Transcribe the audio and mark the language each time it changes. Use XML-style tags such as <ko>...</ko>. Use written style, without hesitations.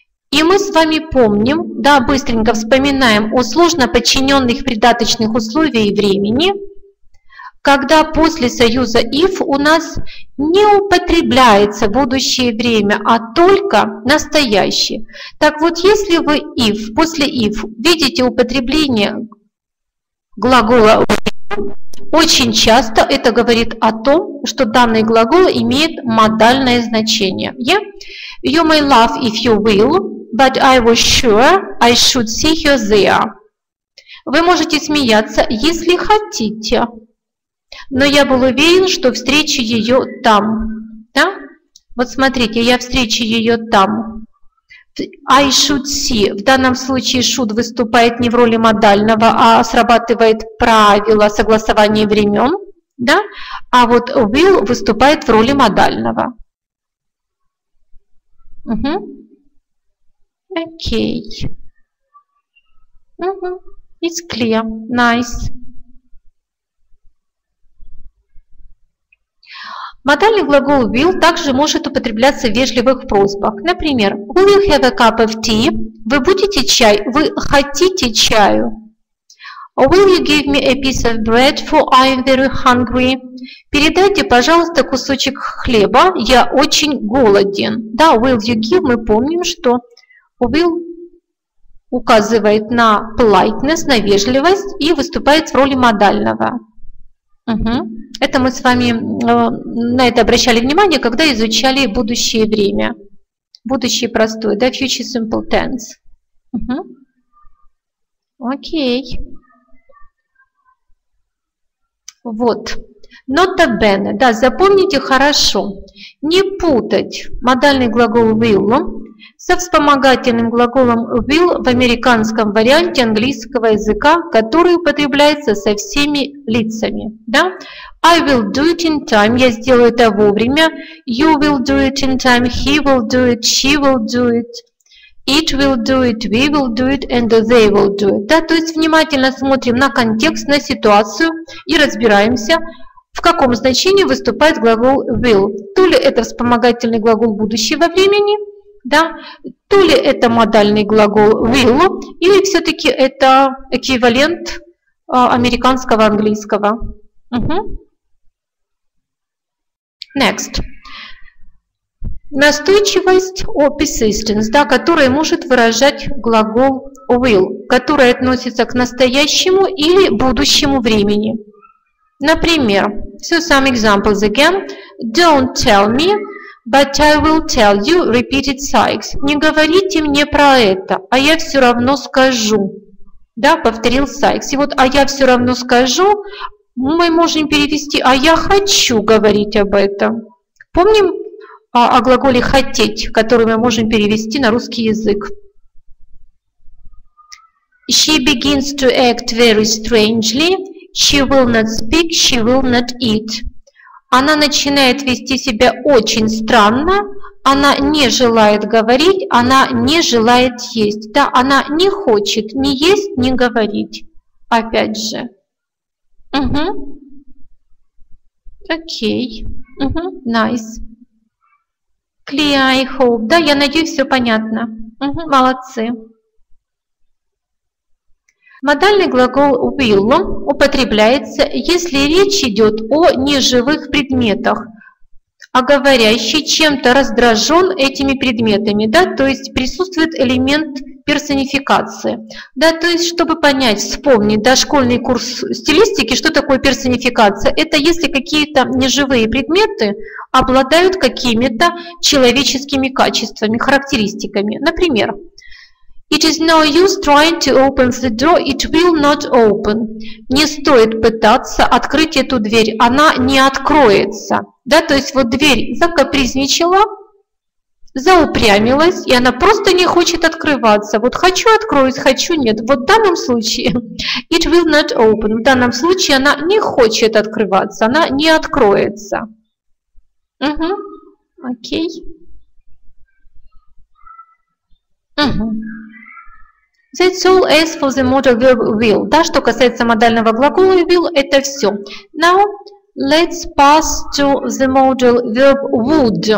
<ru>И мы с вами помним, да, быстренько вспоминаем о сложно подчиненных придаточных условиях времени, когда после союза if у нас не употребляется будущее время, а только настоящее. Так вот, если вы if, после if видите употребление глагола will, очень часто это говорит о том, что данный глагол имеет модальное значение.</ru> <en>Yeah? You may laugh if you will, but I was sure I should see you there.</en> <ru>Вы можете смеяться, если хотите. Но я был уверен, что встречу ее там. Да? Вот смотрите, я встречу ее там.</ru> <en>I should see.</en> <ru>В данном случае should выступает не в роли модального, а срабатывает правило согласования времен. Да? А вот will выступает в роли модального.</ru> <en>Угу. Окей. Угу. It's clear. Nice.</en> <ru>Модальный глагол will также может употребляться в вежливых просьбах. Например,</ru> <en>will you have a cup of tea?</en> <ru>Вы будете чай? Вы хотите чаю?</ru> <en>Will you give me a piece of bread, for I'm very hungry?</en> <ru>Передайте, пожалуйста, кусочек хлеба, я очень голоден. Да, will you give, мы помним, что will указывает на politeness, на вежливость и выступает в роли модального. Угу. Это мы с вами на это обращали внимание, когда изучали будущее время. Будущее простое, да,</ru> <en>future simple tense.</en> <ru>Угу. Окей. Вот. Nota bene. Да, запомните хорошо. Не путать модальный глагол will со вспомогательным глаголом will в американском варианте английского языка, который употребляется со всеми лицами. Да?</ru> <en>I will do it in time.</en> <ru>Я сделаю это вовремя.</ru> <en>You will do it in time. He will do it. She will do it. It will do it, we will do it, and they will do it.</en> <ru>Да, то есть внимательно смотрим на контекст, на ситуацию и разбираемся, в каком значении выступает глагол will. То ли это вспомогательный глагол будущего времени, да, то ли это модальный глагол will, или все-таки это эквивалент американского английского. Угу.</ru> <en>Next.</en> <ru>Настойчивость</ru> <en>or persistence,</en> <ru>да, которая может выражать глагол will, который относится к настоящему или будущему времени. Например,</ru> <en>so some examples again. Don't tell me, but I will tell you, repeated Sykes.</en> <ru>Не говорите мне про это, а я все равно скажу. Да, повторил Сайкс. И вот «а я все равно скажу» мы можем перевести «а я хочу говорить об этом». Помним о глаголе «хотеть», который мы можем перевести на русский язык.</ru> <en>She begins to act very strangely. She will not speak, she will not eat.</en> <ru>Она начинает вести себя очень странно. Она не желает говорить, она не желает есть. Да, она не хочет ни есть, ни говорить. Опять же.</ru> <en>Угу. Окей. Угу. Nice. Clear, I hope.</en> <ru>Да, я надеюсь, все понятно. Угу, молодцы. Модальный глагол will употребляется, если речь идет о неживых предметах, а говорящий чем-то раздражен этими предметами, да, то есть присутствует элемент персонификации. Да, то есть, чтобы понять, вспомнить, да, школьный курс стилистики, что такое персонификация, это если какие-то неживые предметы обладают какими-то человеческими качествами, характеристиками. Например,</ru> <en>it is no use trying to open the door, it will not open.</en> <ru>Не стоит пытаться открыть эту дверь, она не откроется. Да, то есть вот дверь закапризничала, заупрямилась, и она просто не хочет открываться. Вот хочу откроюсь, хочу нет. Вот в данном случае</ru> <en>it will not open.</en> <ru>В данном случае она не хочет открываться, она не откроется. Угу. Окей. Угу.</ru> <en>That's all as for the modal verb will.</en> <ru>Да, что касается модального глагола will, это все.</ru> <en>Now, let's pass to the modal verb would.</en>